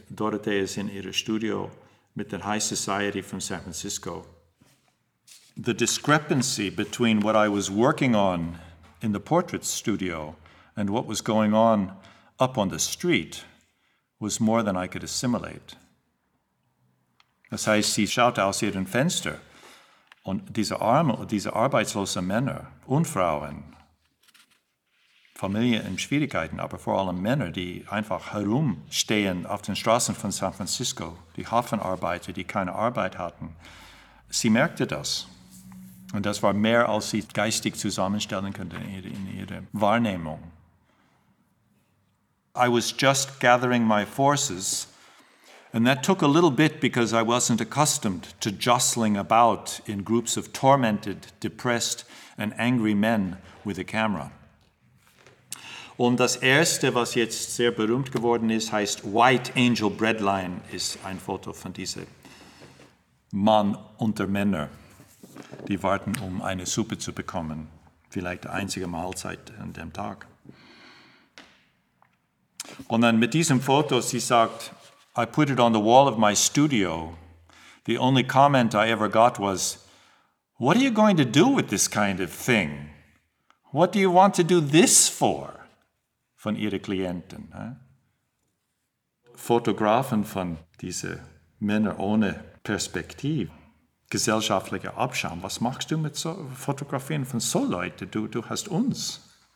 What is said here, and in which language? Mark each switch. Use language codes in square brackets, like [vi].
[de] Dorothea ist in ihrem Studio mit der High Society von San Francisco. [en] The discrepancy between what I was working on in the portrait studio and what was going on up on the street was more than I could assimilate. [de] Das heißt, sie schaut aus ihrem Fenster und diese arbeitslosen Männer und Frauen, Familie in Schwierigkeiten, aber vor allem Männer, die einfach herumstehen auf den Straßen von San Francisco, die Hafenarbeiter, die keine Arbeit hatten, sie merkte das. Und das war mehr, als sie geistig zusammenstellen konnte in ihrer Wahrnehmung. [en] I was just gathering my forces, and that took a little bit because I wasn't accustomed to jostling about in groups of tormented, depressed and angry men with a camera. [de] Und das Erste, was jetzt sehr berühmt geworden ist, heißt White Angel Breadline, ist ein Foto von diesem Mann unter Männer, die warten, um eine Suppe zu bekommen. Vielleicht die einzige Mahlzeit an dem Tag. Und dann mit diesem Foto, sie sagt, [en] I put it on the wall of my studio. The only comment I ever got was, what are you going to do with this kind of thing? What do you want to do this for? [de] Von ihren Klienten. Ne? Fotografen von diesen Männern ohne Perspektive, gesellschaftlicher Abschaum. Was machst du mit so Fotografien von so Leuten? Du hast uns.